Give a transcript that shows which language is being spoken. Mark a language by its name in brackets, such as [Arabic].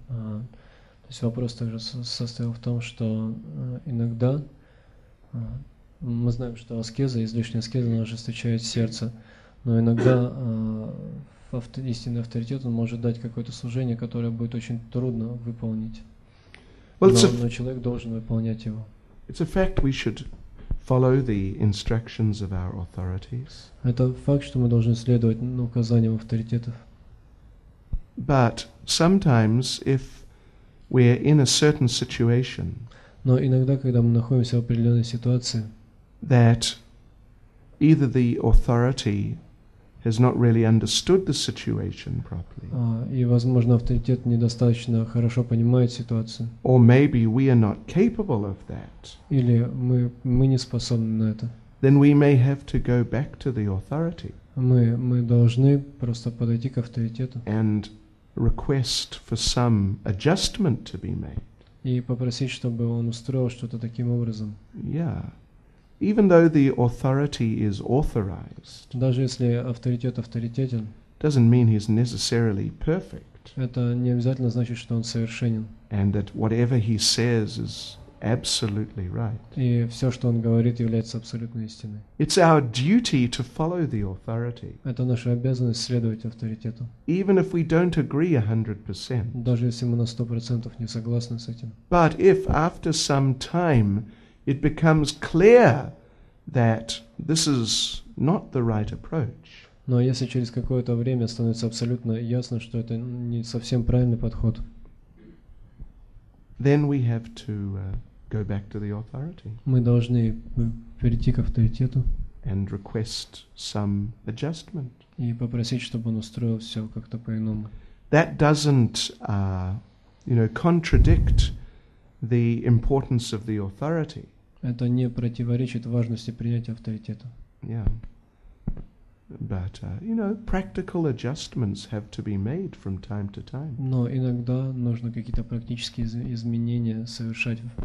[Russian] То есть вопрос также состоял в том, что иногда мы знаем, что аскеза, излишняя аскеза, она ожесточает сердце, но иногда истинный авторитет, он может дать какое-то служение, которое будет очень трудно выполнить. Но человек должен выполнять его. [English] It's a fact we should follow the instructions of our authorities. [Russian] Это факт, что мы должны следовать указаниям авторитетов. [English] But sometimes if we're in a certain situation, [Russian] но иногда, когда мы находимся в определенной ситуации, [English] that either the authority has not really understood the situation properly. [Russian] И возможно, авторитет недостаточно хорошо понимает ситуацию. [English] Or maybe we are not capable of that. [Russian] Или мы не способны на это. [English] Then we may have to go back to the authority. [Russian] Мы должны просто подойти к авторитету. [English] And request for some adjustment to be made. [Russian] И попросить, чтобы он устроил что-то таким образом. [English] Yeah. Even though the authority is authorized, [Russian] даже если авторитет авторитетен, [English] doesn't mean he's necessarily perfect. [Russian] Это не обязательно значит, что он совершенен. [English] And that whatever he says is absolutely right. [Russian] И все, что он говорит, является абсолютно истиной. [English] It's our duty to follow the authority. [Russian] Это наша обязанность следовать авторитету. [English] Even if we don't agree 100%. [Russian] Даже если мы на 100% не согласны с этим. [English] But if after some time it becomes clear that this is not the right approach. [Russian] Но если через какое-то время становится абсолютно ясно, что это не совсем правильный подход, [English] then we have to go back to the authority. [Russian] Мы должны перейти к авторитету. [English] And request some adjustment. [Russian] И попросить, чтобы он устроил все как-то по-иному. [English] That doesn't, contradict the importance of the authority. [Russian] Это не противоречит важности принятия авторитета. [English] Yeah. But, practical adjustments have to be made from time to time. [Russian] Но иногда нужно какие-то практические изменения совершать.